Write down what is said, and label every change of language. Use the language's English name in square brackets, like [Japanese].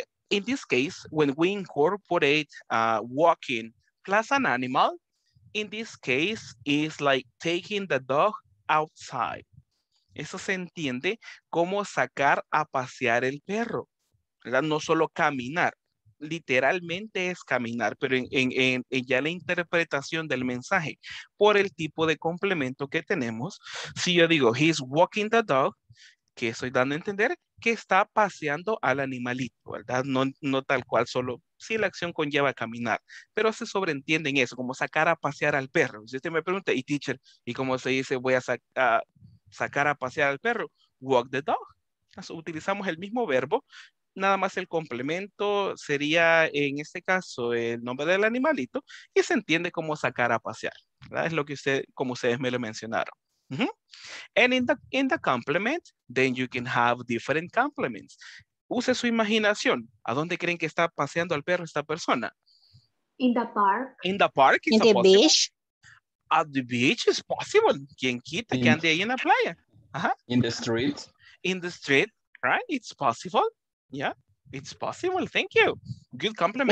[English] In this case, when we incorporate walking plus an animal, in this case, it's like taking the dog outside. [Spanish] Eso se entiende como sacar a pasear el perro, ¿verdad? No solo caminar, literalmente es caminar, pero en ya la interpretación del mensaje por el tipo de complemento que tenemos, si yo digo [English] he's walking the dog, [Spanish] que estoy dando a entender que está paseando al animalito, ¿verdad? No tal cual, solo si la acción conlleva caminar, pero se sobreentiende en eso, como sacar a pasear al perro. Si usted me pregunta, y teacher, ¿y cómo se dice voy a sacar a pasear al perro? [English] Walk the dog. [Spanish] Utilizamos el mismo verbo, nada más el complemento sería en este caso el nombre del animalito, y se entiende como sacar a pasear, ¿verdad? Es lo que usted, como ustedes me lo mencionaron. [English] And in the complement, then you can have different complements. [Spanish] Use su imaginación. ¿A dónde creen que está paseando al perro esta persona? [English] In the park. In the park. In the beach. At the beach is possible. [Spanish] ¿Quién quita que ande ahí en la playa? [English] In the street. In the street, right? It's possible. Yeah, it's possible. Thank you. Good compliment.